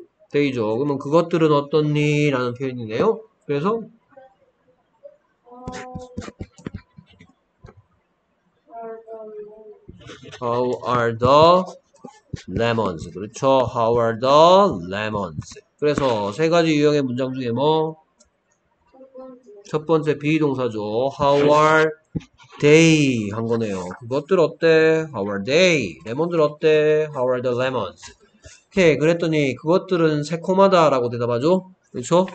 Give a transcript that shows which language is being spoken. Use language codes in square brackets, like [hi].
[ko] 데이죠. 그러면 그것들은 어떻니? 라는 표현이네요. [en] 그래서 How are the lemons? [ko] 그렇죠. [en] How are the lemons? [ko] 그래서 세 가지 유형의 문장 중에 뭐? 첫 번째 비동사죠. [en] How are they? [ko] 한 거네요. 그것들 어때? [en] How are they? [ko] 레몬들 어때? [en] How are the lemons? 오케이. [ko] 그랬더니 그것들은 새콤하다라고 대답하죠. 그렇죠?